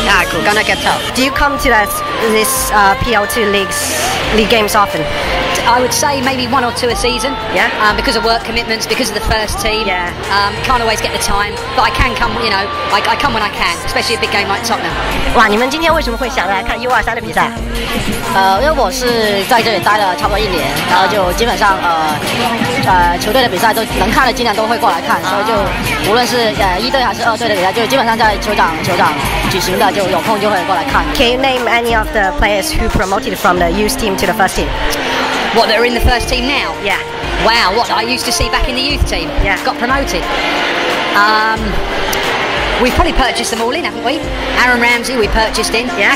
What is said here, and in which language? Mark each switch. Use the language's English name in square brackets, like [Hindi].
[English] cool. Gonna get tough. Do you come to this PL2 league games often? I would say maybe one or two a season. Yeah. Because of work commitments, because of the first team. Yeah. Can't always get the time, but I can come, you know, I come when I can, especially a big game like Tottenham. [Chinese] 哇，你们今天为什么会想来看 U23 的比赛？因为我是在这里待了差不多一年，然后就基本上球队的比赛都能看的尽量都会过来看，所以就无论是一队还是二队的比赛，就基本上在酋长举行的，就有空就会过来看。 [English] Can you name any of the players who promoted from the youth team to the first team? What, that are in the first team now? Yeah. Wow, what I used to see back in the youth team. Yeah. Got promoted. We've probably purchased them all in, haven't we? Aaron Ramsey, we purchased in. Yeah.